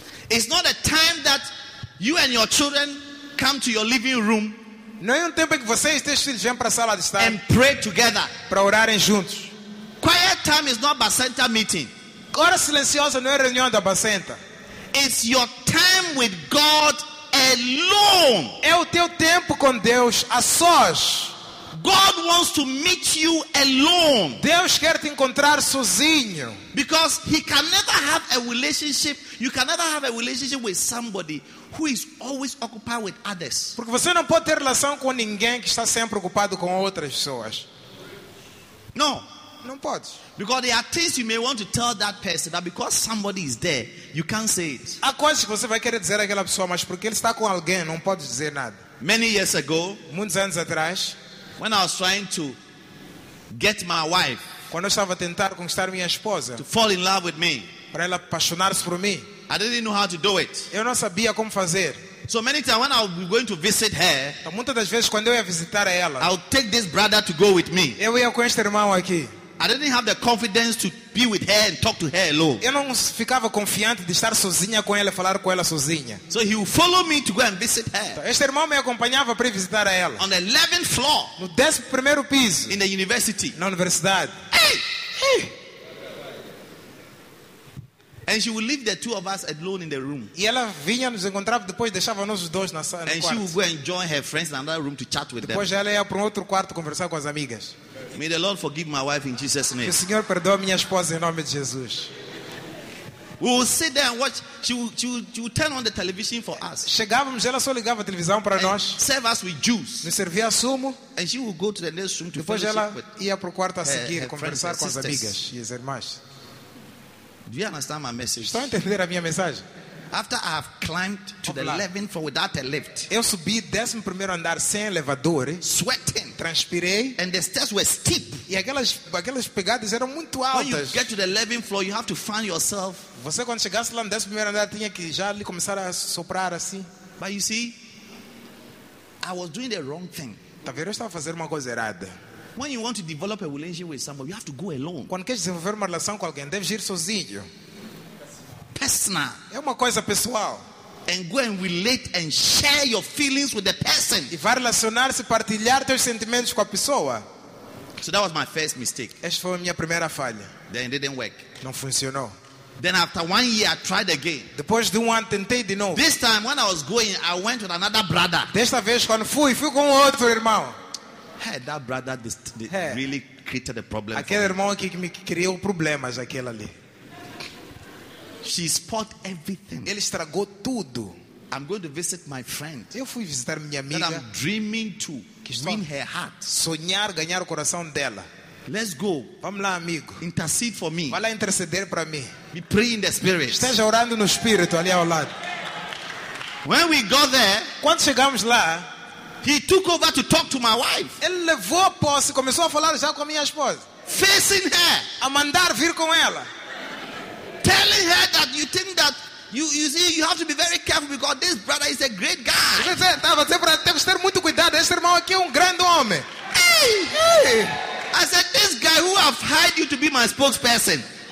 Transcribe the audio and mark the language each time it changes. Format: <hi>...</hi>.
<en>It's not a time that you and your children come to your living room.</en> <pt>Não é tempo em que vocês e seus filhos vêm para a sala de estar.</pt> <en>And pray together.</en> <pt>Para orarem juntos.</pt> <en>Quiet time is not Bacenta meeting.</en> <pt>Hora silenciosa não é reunião da Bacenta.</pt> <en>It's your time with God alone.</en> <pt>É o teu tempo com Deus a sós.</pt> <en>God wants to meet you alone.</en> <pt>Deus quer te encontrar sozinho.</pt> <en>Because he can never have a relationship. You can never have a relationship with somebody who is always occupied with others.</en> <pt>Porque você não pode ter relação com ninguém que está sempre ocupado com outras pessoas.</pt> <en>No.</en> <pt>Não pode.</pt> <en>Because there are things you may want to tell that person that because somebody is there, you can't say it.</en> <pt>Há coisas que você vai querer dizer àquela pessoa, mas porque ele está com alguém, não pode dizer nada.</pt> <en>Many years ago,</en> <pt>muitos anos atrás,</pt> <en>when I was trying to get my wife,</en> <pt>quando eu estava a tentar conquistar minha esposa,</pt> <en>to fall in love with me,</en> <pt>para ela apaixonar-se por mim,</pt> <en>I didn't know how to do it.</en> <pt>Eu não sabia como fazer.</pt> <en>So many times when I would be going to visit her,</en> <pt>então, muitas das vezes quando eu ia visitar ela,</pt> <en>I would take this brother to go with me.</en> <pt>Eu ia com este irmão aqui.</pt> <en>I didn't have the confidence to be with her and talk to her alone.</en> <pt>Eu não ficava confiante de estar sozinha com ela, falar com ela sozinha.</pt> <en>So he would follow me to go and visit her.</en> <pt>Então, este irmão me acompanhava para visitar a ela.</pt> <en>On the 11th floor.</en> <pt>No 11º piso.</pt> <en>In the university.</en> <pt>Na universidade.</pt> <en>Hey! Hey! And she would leave the two of us alone in the room.</en> <pt>E ela vinha nos encontrava depois deixava nós dois na sala.</pt> <en>And she would go and join her friends in another room to chat with</en> <pt>depois</pt> <en>them.</en> <pt>Depois ela ia para um outro quarto conversar com as amigas.</pt> <en>May the Lord forgive my wife in Jesus' name.</en> <pt>Que o Senhor perdoe minha esposa em nome de Jesus.</pt> <en>We would sit there and watch. She would turn on the television for us.</en> <pt>Chegávamos, ela só ligava a televisão para</pt> <en>and</en> <pt>nós.</pt> <en>Serve us with juice.</en> <pt>Nos servia sumo.</pt> <en>And she would go to the next room to</en> <pt>depois ela ia para o quarto a seguir</pt> <en>her</en> <pt>conversar</pt> <en>friends,</en> <pt>com</pt> <en>sisters.</en> <pt>As amigas e as irmãs.</pt> <en>Do you understand my message?</en> <pt>Estão a entender a minha mensagem?</pt> <en>After I have climbed to the 11th floor without a lift.</en> <pt>Eu subi 11º andar sem elevador.</pt> <en>Sweating.</en> <pt>Transpirei.</pt> <en>And the stairs were steep.</en> <pt>E aquelas pegadas eram muito altas.</pt> <en>When you get to the 11th floor, you have to find yourself.</en> <pt>Você quando chegasse lá no 11º andar tinha que já ali começar a soprar assim.</pt> <en>But you see, I was doing the wrong thing.</en> <pt>Tá vendo? Eu estava a fazer uma coisa errada.</pt> <en>When you want to develop a relationship with somebody, you have to go alone.</en> <pt>Quando queres desenvolver uma relação com alguém, deves ir sozinho.</pt> <en>Personal.</en> <pt>É uma coisa pessoal.</pt> <en>And go and relate and share your feelings with the person.</en> <pt>E vai relacionar-se, partilhar teus sentimentos com a pessoa.</pt> <en>So that was my first mistake.</en> <pt>Essa foi a minha primeira falha.</pt> <en>Then it didn't work.</en> <pt>Não funcionou.</pt> <en>Then after 1 year, I tried again.</en> <pt>Depois de 1 ano, tentei de novo.</pt> <en>This time, when I was going, I went with another brother.</en> <pt>Desta vez, quando fui com outro irmão.</pt> <en>Hey, that brother really created a problem.</en> <pt>Aquele irmão aqui que me criou problemas, aquele ali.</pt> <en>She spoiled everything.</en> <pt>Ele estragou tudo.</pt> <en>I'm going to visit my friend.</en> <pt>Eu fui visitar minha amiga.</pt> <en>That I'm dreaming to win her heart.</en> <pt>Sonhar ganhar o coração dela.</pt> <en>Let's go.</en> <pt>Vamos lá, amigo.</pt> <en>Intercede for me.</en> <pt>Vai lá interceder para mim.</pt> <en>We pray in the spirit.</en> <pt>Esteja orando no espírito ali ao lado.</pt> <en>When we go there,</en> <pt>quando chegamos lá,</pt> <en>he took over to talk to my wife.</en> <pt>Ele levou a posse, começou a falar já com a minha esposa.</pt> <en>Facing her,</en> <pt>a mandar vir com ela.</pt> <en>Telling her that you think that you see you have to be very careful because this brother is a great guy.</en> <pt>Você estava sempre a ter que ter muito cuidado. Este irmão aqui é grande homem.</pt> <en>Hey. I said, this guy who have hired you to be my spokesperson.</en>